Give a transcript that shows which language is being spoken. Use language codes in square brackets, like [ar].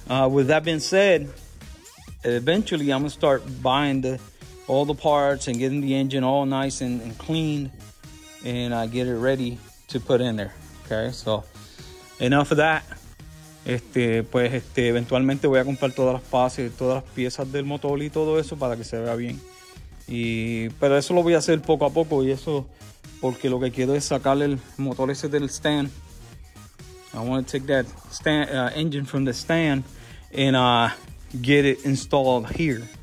[en] With that being said, eventually I'm gonna start buying all the parts and getting the engine all nice and clean, and I get it ready to put in there. Okay, so enough of that. [es] Eventualmente voy a comprar todas las bases, todas las piezas del motor y todo eso para que se vea bien. Pero eso lo voy a hacer poco a poco, y eso porque lo que quiero es sacarle el motor ese del stand. [en] I want to take that stand, engine from the stand and get it installed here.